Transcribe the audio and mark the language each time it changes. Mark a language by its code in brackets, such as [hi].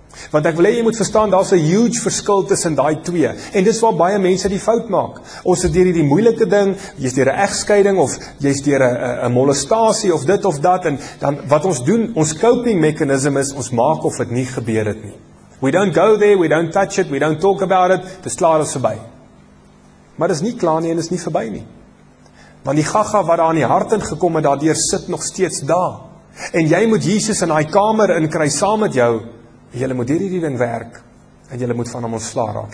[af] Want ek wil hê jy moet verstaan, daar's 'n huge verskil tussen daai twee. En dis waar baie mense die fout maak. Ons is deur hierdie moeilike ding, jy's deur 'n egskeiding of jy's deur 'n molestasie of dit of dat en dan wat ons doen, ons [en] coping mechanism [af] is ons maak of dit nie gebeur het nie. [en] We don't go there, we don't touch it, we don't talk about it. [af] Dis klaar is verby. Maar dis nie klaar nie en dis nie verby nie. Want die gaga wat daar in die hart ingekom het, daardeur sit nog steeds daar. En jy moet Jesus in daai kamer inkry saam met jou. Julle moet hierdie ding werk en julle moet van hom ontslaa raak.